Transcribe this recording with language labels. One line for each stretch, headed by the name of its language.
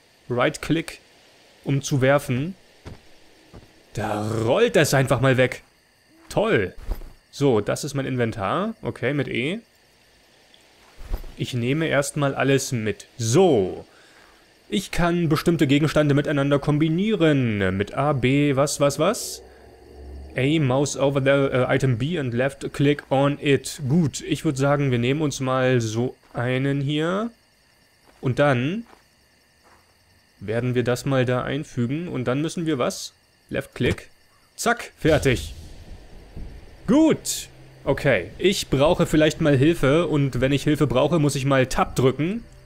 German: Right-click, um zu werfen. Da rollt das einfach mal weg. Toll. So, das ist mein Inventar. Okay, mit E. Ich nehme erstmal alles mit. So. Ich kann bestimmte Gegenstände miteinander kombinieren. Mit A, B, was?
English: A, mouse over the item B and left click on it.
German: Gut, ich würde sagen, wir nehmen uns mal so einen hier. Und dann werden wir das mal da einfügen. Und dann müssen wir was? Left click. Zack, fertig. Gut. Okay, ich brauche vielleicht mal Hilfe. Und wenn ich Hilfe brauche, muss ich mal Tab drücken.